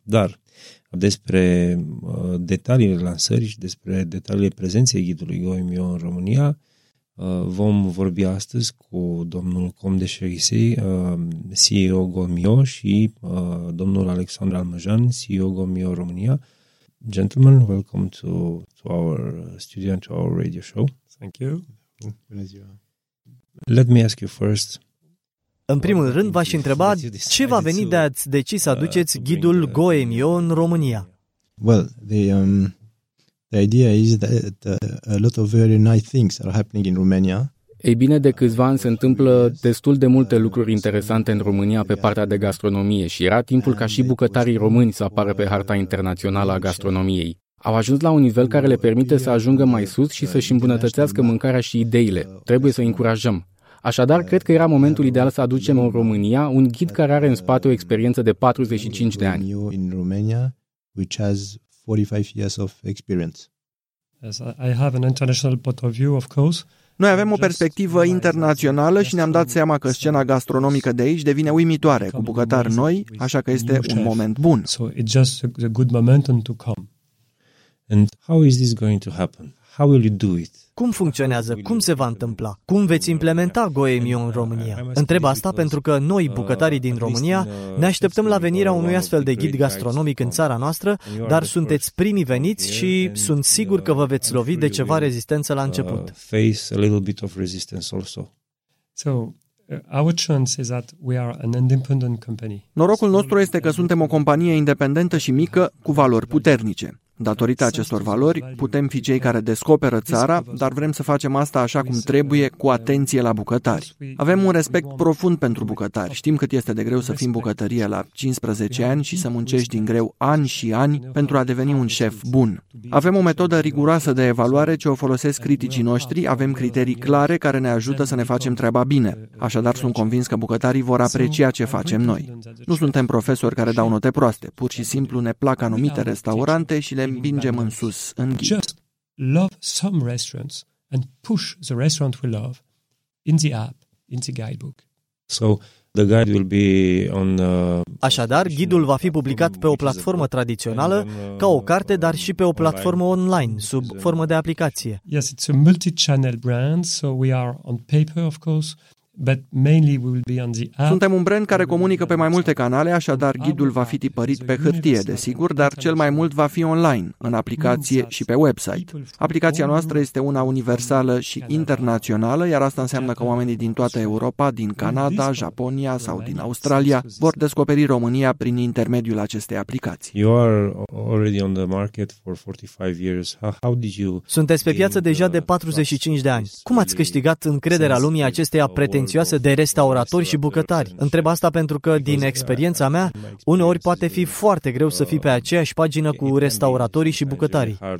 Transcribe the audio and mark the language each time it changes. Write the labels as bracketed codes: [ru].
[ro] Dar despre detaliile lansării și despre detaliile prezenței ghidului Goemio în România vom vorbi astăzi cu domnul Comte de Cherisey, CEO Goemio, și domnul Alexandru Almăjan, CEO Goemio România. [en] Gentlemen, welcome to our studio and to our radio show. Thank you. [ro] Bună ziua. [en] Let me ask you first. [ro] În primul rând, v-aș întreba ce va veni de a-ți decis să aduceți ghidul Goemio în România? [en] Well, the idea is that a lot of very nice things are happening in Romania. [ro] Ei bine, de câțiva ani se întâmplă destul de multe lucruri interesante în România pe partea de gastronomie și era timpul ca și bucătarii români să apară pe harta internațională a gastronomiei. Au ajuns la un nivel care le permite să ajungă mai sus și să-și îmbunătățească mâncarea și ideile. Trebuie să-i încurajăm. Așadar, cred că era momentul ideal să aducem în România un ghid care are în spate o experiență de 45 de ani. [en] In Romania, which has 45 years of experience. Yes, I have an international point of view, of course. [ro] Noi avem o perspectivă internațională și ne-am dat seama că scena gastronomică de aici devine uimitoare, cu bucătari noi, așa că este un moment bun. [en] So it's just a good moment to come. And how is this going to happen? How will you do it? [ro] Cum funcționează? Cum se va întâmpla? Cum veți implementa Goemio în România? Întreb asta pentru că noi, bucătarii din România, ne așteptăm la venirea unui astfel de ghid gastronomic în țara noastră, dar sunteți primii veniți și sunt sigur că vă veți lovi de ceva rezistență la început. [en] Face a little bit of resistance also. So, our chance is that we are an independent company. [ro] Norocul nostru este că suntem o companie independentă și mică, cu valori puternice. Datorită acestor valori, putem fi cei care descoperă țara, dar vrem să facem asta așa cum trebuie, cu atenție la bucătari. Avem un respect profund pentru bucătari. Știm cât este de greu să fii în bucătărie la 15 ani și să muncești din greu ani și ani pentru a deveni un șef bun. Avem o metodă riguroasă de evaluare ce o folosesc criticii noștri, avem criterii clare care ne ajută să ne facem treaba bine. Așadar, sunt convins că bucătarii vor aprecia ce facem noi. Nu suntem profesori care dau note proaste, pur și simplu ne plac anumite restaurante și le împingem în sus, în ghid. [en] Just love some restaurants and push the restaurant we love in the app, in the guidebook. So the guide will be on. [ro] Așadar, ghidul va fi publicat pe o platformă tradițională, ca o carte, dar și pe o platformă online, sub formă de aplicație. [en] Yes, it's a multi-channel brand, so we are on paper, of course. But mainly we will be on the app. [ro] Suntem un brand care comunică pe mai multe canale, așadar ghidul va fi tipărit pe hârtie, desigur, dar cel mai mult va fi online, în aplicație și pe website. Aplicația noastră este una universală și internațională, iar asta înseamnă că oamenii din toată Europa, din Canada, Japonia sau din Australia, vor descoperi România prin intermediul acestei aplicații. [en] You are already on the market for 45 years. How did you? [ro] Sunteți pe piață deja de 45 de ani. Cum ați câștigat încrederea lumii acesteia pretențioasă de restauratori și bucătari? Întreb asta pentru că, din experiența mea, uneori poate fi foarte greu să fii pe aceeași pagină cu restauratorii și bucătarii.